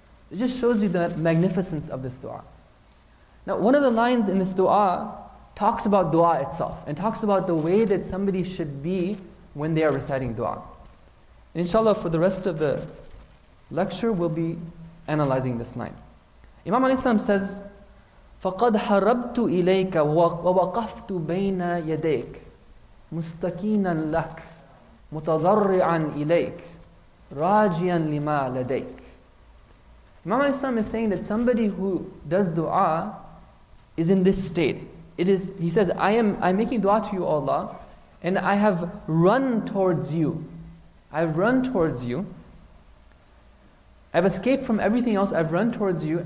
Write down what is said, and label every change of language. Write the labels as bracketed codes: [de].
[en] It just shows you the magnificence of this dua. Now, one of the lines in this dua talks about dua itself and talks about the way that somebody should be when they are reciting dua. And inshallah, for the rest of the lecture, we'll be analyzing this line. Imam alayhi salam says, [ar] فَقَدْ حَرَبْتُ إِلَيْكَ وَوَقَفْتُ بَيْنَ يَدَيْكَ مُسْتَكِينًا لَكَ مُتَضَرِّعًا إِلَيْكَ رَاجِيًا لِمَا لَدَيْكَ. [en] Imam alayhi salam is saying that somebody who does dua is in this state. He says, I'm making dua to you, Allah, and I have run towards you. I've run towards you. I've escaped from everything else. I've run towards you.